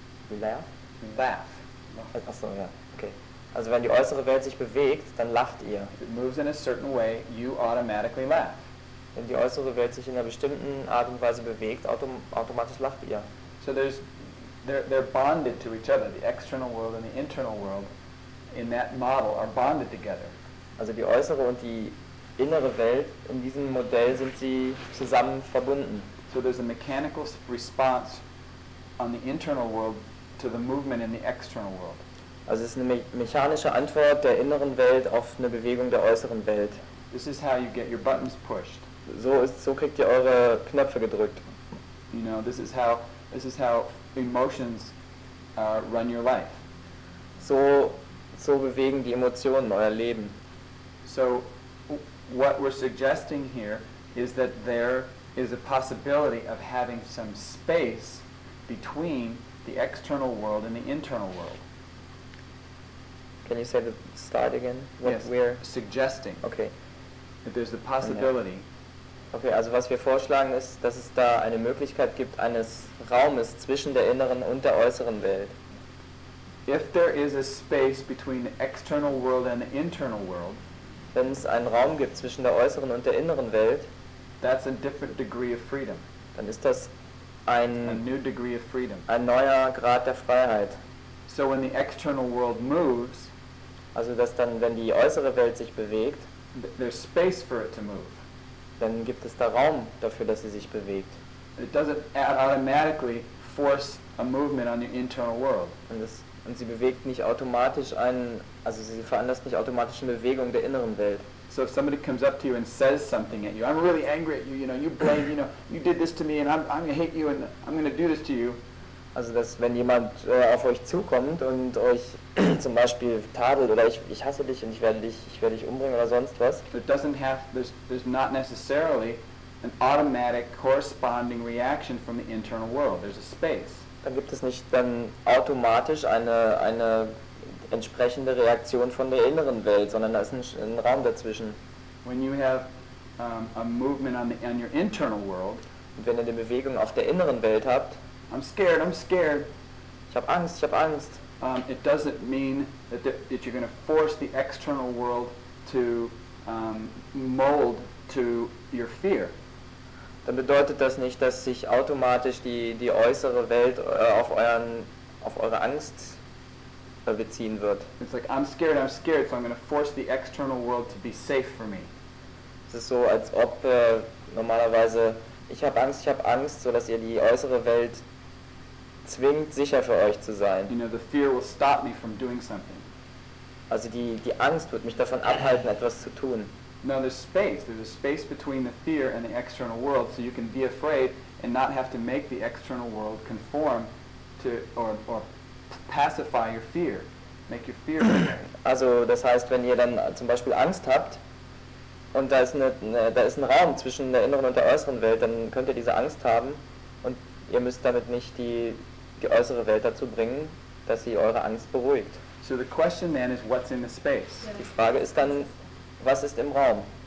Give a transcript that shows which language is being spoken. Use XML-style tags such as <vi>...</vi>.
<en>You laugh? You laugh.</en> <de>Achso, ja. Okay. Also wenn die äußere Welt sich bewegt, dann lacht ihr.</de> <en>If it moves in a certain way, you automatically laugh.</en> <de>Wenn die äußere Welt sich in einer bestimmten Art und Weise bewegt, automatisch lacht ihr.</de> <en>So they're bonded to each other. The external world and the internal world in that model are bonded together.</en> <de>Also die äußere und die innere Welt, in diesem Modell sind sie zusammen verbunden.</de> <en>So there's a mechanical response on the internal world to the movement in the external world.</en> <de>Also es ist eine mechanische Antwort der inneren Welt auf eine Bewegung der äußeren Welt.</de> <en>This is how you get your buttons pushed.</en> <de>So kriegt ihr eure Knöpfe gedrückt.</de> <en>You know, this is how emotions run your life.</en> <de>So bewegen die Emotionen euer Leben.</de> <en>So what we're suggesting here is that there is a possibility of having some space between the external world and the internal world. Can you say the start again? Yes, we're suggesting. Okay. That there's a possibility.</en> <de>Okay, also was wir vorschlagen ist, dass es da eine Möglichkeit gibt eines Raumes zwischen der inneren und der äußeren Welt.</de> <en>If there is a space between the external world and the internal world,</en> <de>wenn es einen Raum gibt zwischen der äußeren und der inneren Welt,</de> <en>that's a different degree of freedom.</en> <de>Dann ist das ein,</de> <en>a new degree of freedom.</en> <de>Ein neuer Grad der Freiheit.</de> <en>So when the external world moves,</en> <de>also dass dann, wenn die äußere Welt sich bewegt,</de> <en>there's space for it to move.</en> <de>Dann gibt es da Raum dafür, dass sie sich bewegt.</de> <en>It doesn't automatically force a movement on the internal world.</en> <de>Und sie bewegt nicht automatisch also sie veranlasst nicht automatisch eine Bewegung der inneren Welt.</de> <en>So if somebody comes up to you and says something at you, I'm really angry at you, you know, you blame, you know, you did this to me and I'm gonna hate you and I'm gonna do this to you.</en> <de>Also dass wenn jemand auf euch zukommt und euch zum Beispiel tadelt oder ich hasse dich und ich werde dich umbringen oder sonst was.</de> <en>It doesn't have, there's not necessarily an automatic corresponding reaction from the internal world. There's a space.</en> <de>Dann gibt es nicht dann automatisch eine entsprechende Reaktion von der inneren Welt, sondern da ist ein Raum dazwischen.</de> <en>When you have a movement on your internal world,</en> <de>und wenn ihr eine Bewegung auf der inneren Welt habt,</de> <en>I'm scared.</en> <de>Ich habe Angst.</de> <en>It doesn't mean that you're going to force the external world to mold to your fear.</en> <de>Dann bedeutet das nicht, dass sich automatisch die äußere Welt auf eure Angst beziehen wird.</de> <en>It's like I'm scared, so I'm going to force the external world to be safe for me.</en> <de>Es ist so, als ob normalerweise ich habe Angst, so dass ihr die äußere Welt zwingt, sicher für euch zu sein.</de> <en>You know, the fear will stop me from doing something.</en> <de>Also die Angst wird mich davon abhalten, etwas zu tun.</de> <en>No, there's a space between the fear and the external world, so you can be afraid and not have to make the external world conform to or pacify your fear, make your fear go away.</en> <de>Also das heißt, wenn ihr dann zum Beispiel Angst habt und da ist ein Raum zwischen der inneren und der äußeren Welt, dann könnt ihr diese Angst haben und ihr müsst damit nicht die äußere Welt dazu bringen, dass sie eure Angst beruhigt.</de> <en>So the question then is, what's in the space?</en> <de>Die Frage ist dann, was ist im Raum?</de>